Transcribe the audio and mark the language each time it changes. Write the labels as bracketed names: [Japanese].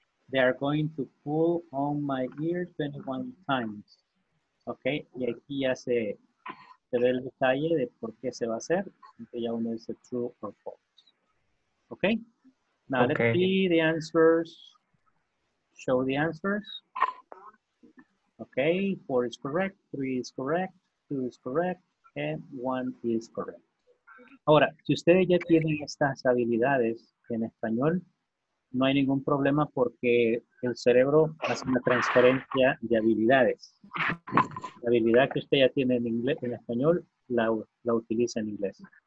[English] They are going to pull on my ear 21 times. [Spanish] Okay, y aquí ya se ve el detalle de por qué se va a hacer. Que ya uno dice [English] true or false. Okay? Now okay. Let's see the answers. Show the answers. Okay, 4 is correct, 3 is correct, 2 is correct, and 1 is correct. [Spanish] Ahora, si ustedes ya tienen estas habilidades en español, no hay ningún problema porque el cerebro hace una transferencia de habilidades. La habilidad que usted ya tiene en inglés, en español, la utiliza en inglés.